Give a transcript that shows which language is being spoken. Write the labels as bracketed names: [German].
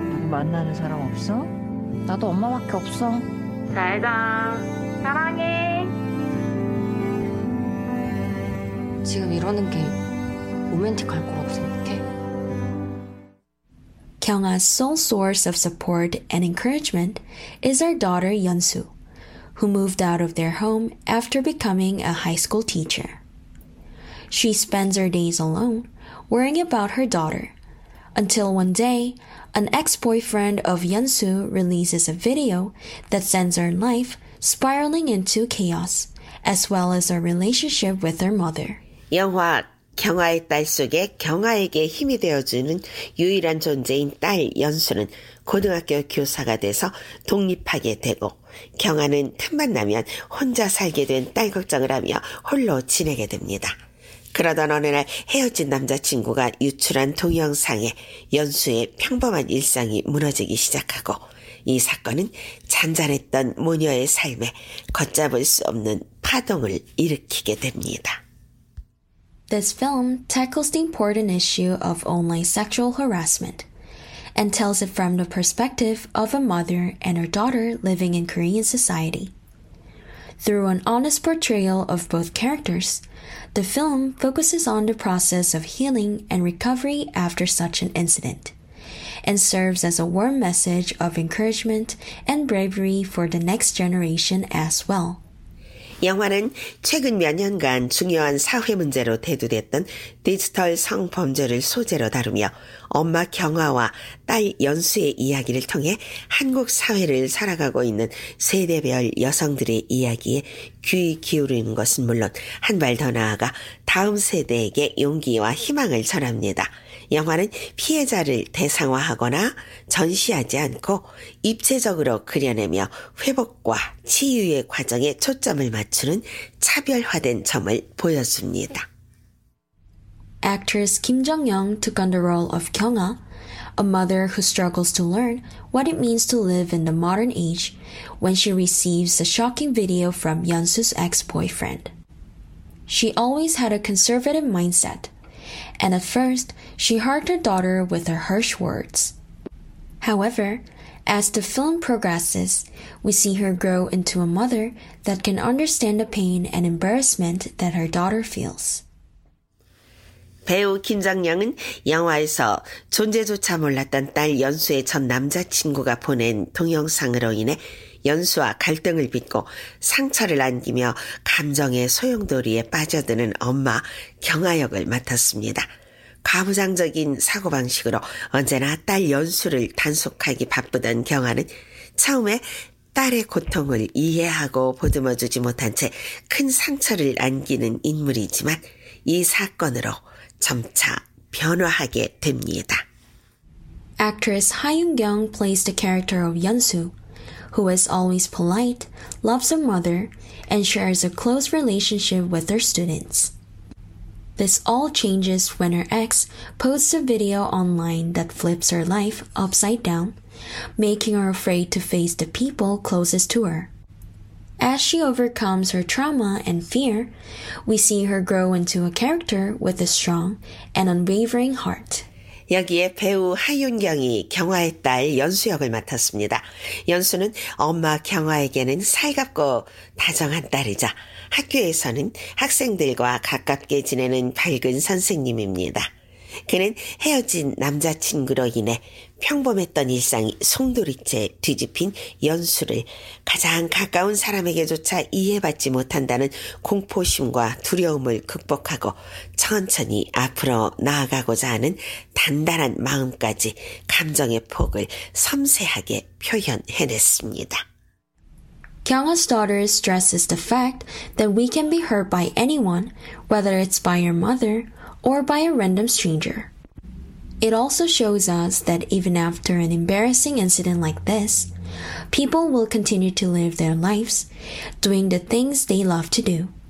[Korean] 만나는 사람 없어? 나도 엄마밖에 없어. 잘가. 사랑해. 지금 이러는 게 로맨틱할 거라고 생각해. [English] Kyung-ah's sole source of support and encouragement is her daughter Yeon-su, who moved out of their home after becoming a high school teacher. She spends her days alone, worrying about her daughter, until one day, an ex-boyfriend of Yeon-su releases a video that sends her life spiraling into chaos, as well as her relationship with her mother. [Korean] 영화 경아의 딸 속에 경아에게 힘이 되어주는 유일한 존재인 딸 연수는 고등학교 교사가 돼서 독립하게 되고 경아는 틈만 나면 혼자 살게 된 딸 걱정을 하며 홀로 지내게 됩니다. 그러던 어느 날 헤어진 남자친구가 유출한 동영상에 연수의 평범한 일상이 무너지기 시작하고 이 사건은 잔잔했던 모녀의 삶에 걷잡을 수 없는 파동을 일으키게 됩니다. [English] This film tackles the important issue of online sexual harassment and tells it from the perspective of a mother and her daughter living in Korean society. Through an honest portrayal of both characters, the film focuses on the process of healing and recovery after such an incident and serves as a warm message of encouragement and bravery for the next generation as well. [Korean] 영화는 최근 몇 년간 중요한 사회 문제로 대두됐던 디지털 성범죄를 소재로 다루며 엄마 경아와 딸 연수의 이야기를 통해 한국 사회를 살아가고 있는 세대별 여성들의 이야기에 귀 기울이는 것은 물론 한 발 더 나아가 다음 세대에게 용기와 희망을 전합니다. 영화는 피해자를 대상화하거나 전시하지 않고 입체적으로 그려내며 회복과 치유의 과정에 초점을 맞추는 차별화된 점을 보여줍니다. [English] Actress Kim Jong-young took on the role of Kyung-ah, a mother who struggles to learn what it means to live in the modern age when she receives a shocking video from Yeon-su's ex-boyfriend. She always had a conservative mindset, and at first, she hugged her daughter with her harsh words. However, as the film progresses, we see her grow into a mother that can understand the pain and embarrassment that her daughter feels. [Korean] 배우 김정영은 영화에서 존재조차 몰랐던 딸 연수의 전 남자친구가 보낸 동영상으로 인해 연수와 갈등을 빚고 상처를 안기며 감정의 소용돌이에 빠져드는 엄마 경아 역을 맡았습니다. 과부장적인 사고방식으로 언제나 딸 연수를 단속하기 바쁘던 경아는 처음에 딸의 고통을 이해하고 보듬어주지 못한 채 큰 상처를 안기는 인물이지만 이 사건으로 점차 변화하게 됩니다. [English] Actress Ha Yoon-kyung plays the character of Yeon-su, who is always polite, loves her mother, and shares a close relationship with her students. This all changes when her ex posts a video online that flips her life upside down, making her afraid to face the people closest to her. As she overcomes her trauma and fear, we see her grow into a character with a strong and unwavering heart. [Korean] 여기에 배우 하윤경이 경화의 딸 연수 역을 맡았습니다. 연수는 엄마 경화에게는 살갑고 다정한 딸이자 학교에서는 학생들과 가깝게 지내는 밝은 선생님입니다. 그는 헤어진 남자친구로 인해 평범했던 일상이 송두리째 뒤집힌 연수를 가장 가까운 사람에게조차 이해받지 못한다는 공포심과 두려움을 극복하고 천천히 앞으로 나아가고자 하는 단단한 마음까지 감정의 폭을 섬세하게 표현해냈습니다. [English] 경화's daughter stresses the fact that we can be hurt by anyone, whether it's by your mother or by a random stranger. It also shows us that even after an embarrassing incident like this, people will continue to live their lives, doing the things they love to do.